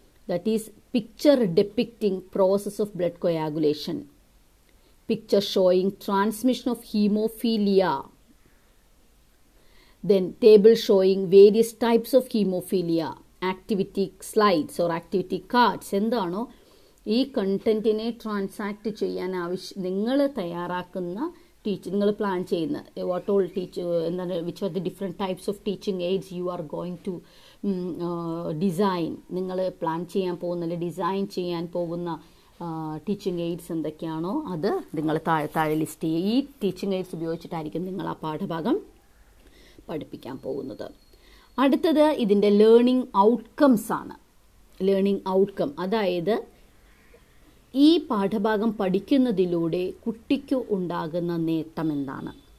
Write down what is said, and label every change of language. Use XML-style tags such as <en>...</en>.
<en>That is picture depicting process of blood coagulation, picture showing transmission of haemophilia, then table showing various types of hemophilia, activity slides or activity cards.</en> <ml>endano ee</ml> <en>content</en> <ml>ine</ml> <en>transact</en> <ml>cheyan avashyam ningal tayaraakuna</ml> <en>teaching</en> <ml>ningal</ml> <en>plan</en> <ml>cheyna</ml> <en>what all teach</en> <ml>endano</ml> <en>which are the different types of teaching aids you are going to</en> <ml>design, നിങ്ങൾ plan ചെയ്യാൻ പോകുന്ന അല്ലെങ്കിൽ design ചെയ്യാൻ പോകുന്ന teaching AIDS എന്തൊക്കെയാണോ അത് നിങ്ങൾ താഴെ ലിസ്റ്റ് ചെയ്യുക. ഈ ടീച്ചിങ് എയ്ഡ്സ് ഉപയോഗിച്ചിട്ടായിരിക്കും നിങ്ങൾ ആ പാഠഭാഗം പഠിപ്പിക്കാൻ പോകുന്നത്. അടുത്തത് ഇതിൻ്റെ ലേണിംഗ് ഔട്ട്കംസ് ആണ്. ലേണിംഗ് ഔട്ട്കം, അതായത് ഈ പാഠഭാഗം പഠിക്കുന്നതിലൂടെ കുട്ടിക്ക് ഉണ്ടാകുന്ന നേട്ടം എന്താണ്.</ml>